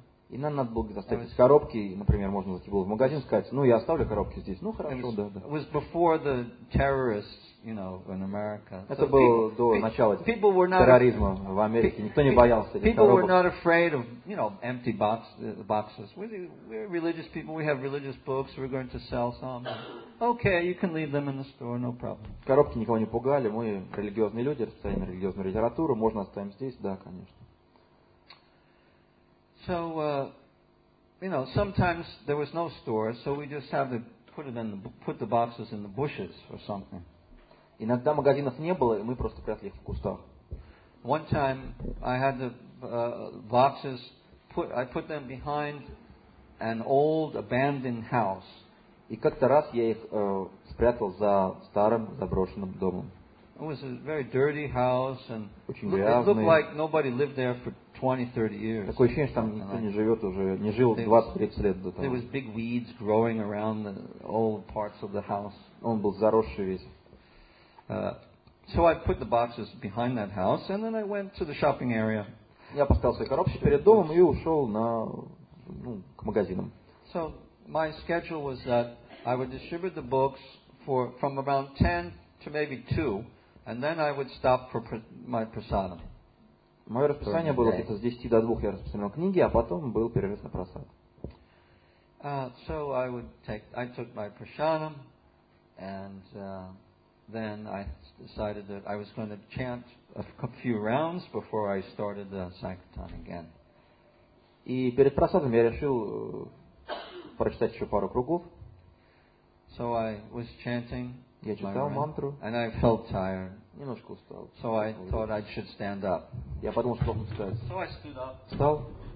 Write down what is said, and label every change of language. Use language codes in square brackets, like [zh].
[ru] И нам надо было оставить эти коробки. Например, можно зайти было в магазин и сказать, ну, я оставлю коробки здесь. Ну, хорошо, да. [en] It was before the terrorists, you know, in America. [ru] Это было до начала терроризма в Америке. Никто не боялся этих коробок. [en] People were not afraid of, you know, empty boxes. We're religious people. We have religious books. We're going to sell some. Okay, you can leave them in the store, no problem. [ru] Коробки никого не пугали. Мы религиозные люди, распространяем религиозную литературу. Можно оставим здесь, да, конечно. [en] So, you know, sometimes there was no store, so we just had to put the boxes in the bushes or something. [ru] Иногда магазинов не было, и мы просто прятали их в кустах. [en] One time I had the boxes I put them behind an old abandoned house. [ru] И как-то раз я их спрятал за старым заброшенным домом. [en] It was a very dirty house, and it looked like nobody lived there for 20-30 years. [ru] Такое ощущение, что там никто не живет уже, не жил 20-30 лет до того. [en] There was big weeds growing around all parts of the house. [ru] Он был заросший весь. [en] So I put the boxes behind that house, and then I went to the shopping area. [ru] Я поставил свои коробки перед домом и ушел к магазинам. [en] So my schedule was that I would distribute the books from around 10 to maybe 2, and then I would stop for my prasadam. [ru] Мое расписание было где-то с 10 до 2 я распространял книги, а потом был перерыв на просад. [en] So I took my prasadam, and then I decided that I was going to chant a few rounds before I started the sankirtan again. [ru] И перед просадом я решил прочитать еще пару кругов. [en] So I was chanting. [ru] Я читал мантру. [en] And I felt tired. [ru] Немножко устал. [en] So I thought I should stand up. [ru] Я подумал, что должен встать. [en] So I stood up. [ru] Встал.